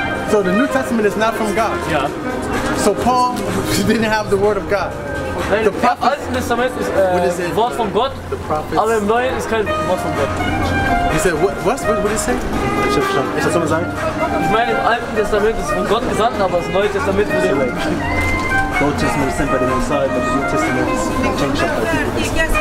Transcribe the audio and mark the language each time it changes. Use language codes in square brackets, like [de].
[en] So the New Testament is not from God? [de] Ja. [en] So Paul didn't have the word of God? [de] Nein, im Alten Testament ist Wort von Gott, aber im Neuen ist kein Wort von Gott. [en] He said, what did he say? [de] Ich hab's schon. Ich meine, im Alten Testament ist von Gott gesandt, aber das Neue Testament wurde geschrieben. [en] The Old Testament is sent by the Messiah, but the New Testament is changed up by people.